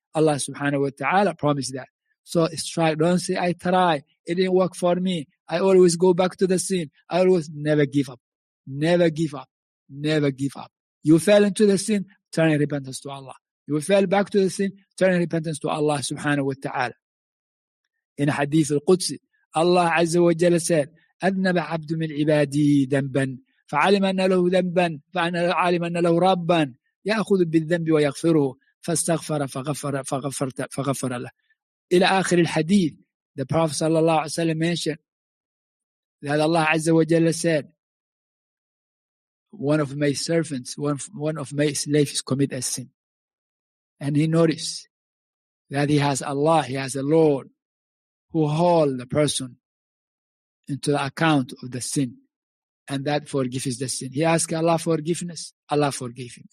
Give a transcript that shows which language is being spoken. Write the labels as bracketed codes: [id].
[en] Allah subhanahu wa ta'ala promised that. So strive. Don't say, I try. It didn't work for me. I always go back to the sin. I always never give up. Never give up. Never give up. You fell into the sin, turn in repentance to Allah. You fell back to the sin, turn in repentance to Allah subhanahu wa ta'ala. In Hadith al-Qudsi, Allah Azza wa Jalla said, [ar] أَذْنَبَ عَبْدُ مِنْ عِبَادِي ذَنْبًا فَعَلِمَ أَنَّ لَهُ ذَنْبًا فَعَلِمَ أَنَّ لَهُ رَبًّا يَأْخُذُ بِالذَّنْبِ وَيَغْفِرُهُ فَاسْتَغْفَرَ فَغَفَرَ لَهُ إلى آخر الحديث. [en] The Prophet صلى الله عليه وسلم mentioned that Allah Azza wa Jalla said, one of my servants, one of my slaves commit a sin. And he noticed that he has Allah, he has a Lord, who hold the person into the account of the sin, and that forgives the sin. He asked Allah forgiveness, Allah forgave him.